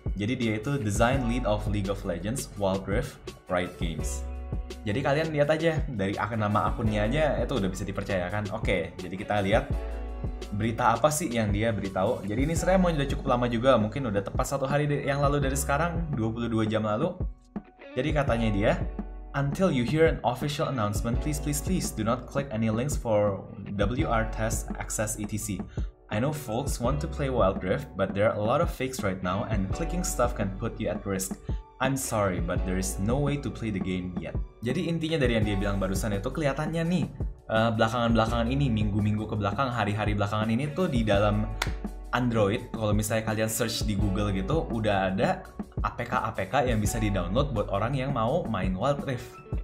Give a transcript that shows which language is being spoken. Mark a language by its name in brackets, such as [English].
[Indonesian] Jadi dia itu design lead of League of Legends, Wild Rift, Riot Games. Jadi kalian lihat aja, dari nama akunnya aja itu udah bisa dipercayakan. Oke, jadi kita lihat berita apa sih yang dia beritahu. Jadi ini sebenarnya udah cukup lama juga, mungkin udah tepat 1 hari yang lalu dari sekarang, 22 jam lalu. Jadi katanya dia, [English] "Until you hear an official announcement, please please please do not click any links for WR test access ETC. I know folks want to play Wild Rift, but there are a lot of fakes right now and clicking stuff can put you at risk. I'm sorry, but there is no way to play the game yet." [Indonesian] Jadi intinya dari yang dia bilang barusan itu kelihatannya nih, belakangan-belakangan ini, minggu-minggu ke belakang, hari-hari belakangan ini tuh di dalam Android, kalau misalnya kalian search di Google gitu, udah ada APK-APK yang bisa di-download buat orang yang mau main Wild Rift.